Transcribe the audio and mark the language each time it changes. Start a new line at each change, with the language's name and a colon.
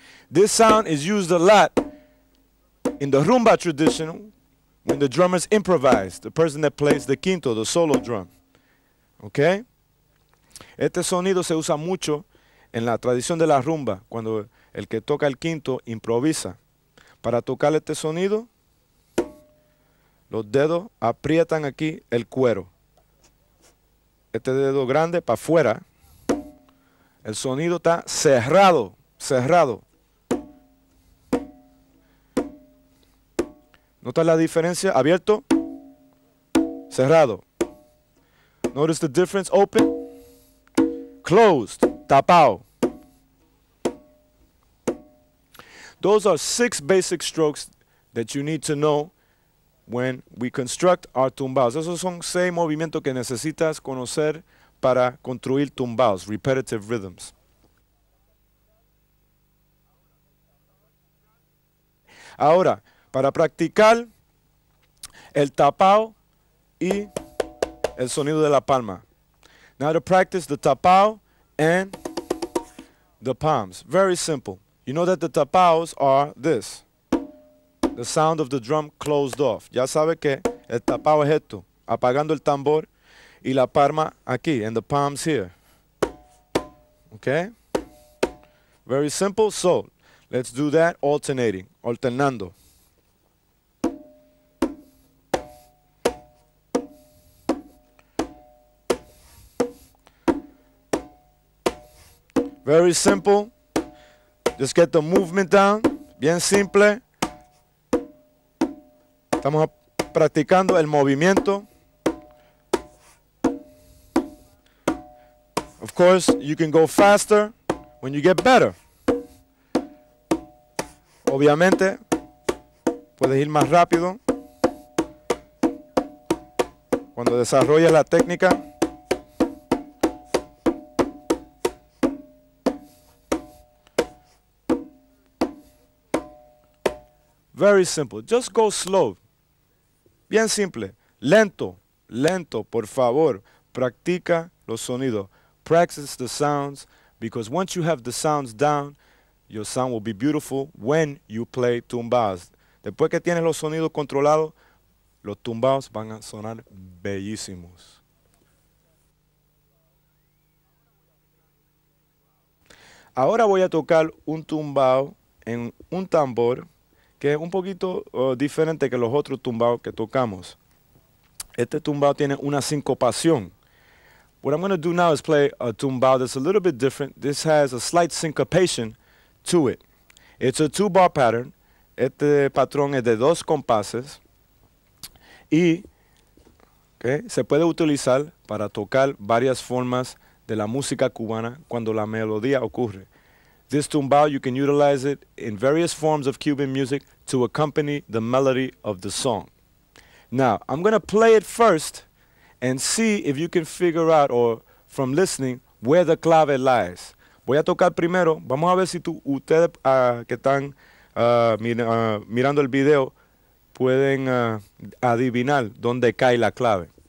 English: This sound is used a lot in the rumba tradition when the drummers improvise, the person that plays the quinto, the solo drum. Okay?
Spanish: Este sonido se usa mucho en la tradición de la rumba, cuando el que toca el quinto improvisa. Para tocar este sonido, los dedos aprietan aquí el cuero. Este dedo grande para afuera. El sonido está cerrado, cerrado. ¿Notas la diferencia? Abierto, cerrado.
English: Notice the difference, open, closed, tapao. Those are six basic strokes that you need to know when we construct our tumbaos.
Spanish: Esos son seis movimientos que necesitas conocer para construir tumbaos,
English: repetitive rhythms.
Spanish: Ahora, para practicar el tapao y el sonido de la palma.
English: Now to practice the tapao and the palms. Very simple. You know that the tapaos are this. The sound of the drum closed off.
Spanish: Ya sabe que el tapao es esto. Apagando el tambor y la palma aquí.
English: And the palms here. Okay? Very simple. So, let's do that alternating. Alternando. Very simple. Just get the movement down.
Spanish: Bien simple. Estamos practicando el movimiento.
English: Of course, you can go faster when you get better.
Spanish: Obviamente, puedes ir más rápido cuando desarrollas la técnica.
English: Very simple. Just go slow.
Spanish: Bien simple. Lento. Lento. Por favor, practica los sonidos.
English: Practice the sounds, because once you have the sounds down, your sound will be beautiful when you play tumbaos.
Spanish: Después que tienes los sonidos controlados, los tumbaos van a sonar bellísimos. Ahora voy a tocar un tumbao en un tambor que es un poquito diferente que los otros tumbaos que tocamos. Este tumbao tiene una sincopación.
English: What I'm going to do now is play a tumbao that's a little bit different. This has a slight syncopation to it. It's a two-bar pattern.
Spanish: Este patrón es de dos compases. Y okay, se puede utilizar para tocar varias formas de la música cubana cuando la melodía ocurre.
English: This tumbao, you can utilize it in various forms of Cuban music to accompany the melody of the song. Now, I'm going to play it first and see if you can figure out, or from listening, where the clave lies.
Spanish: Voy a tocar primero. Vamos a ver si ustedes que están mirando el video pueden adivinar dónde cae la clave.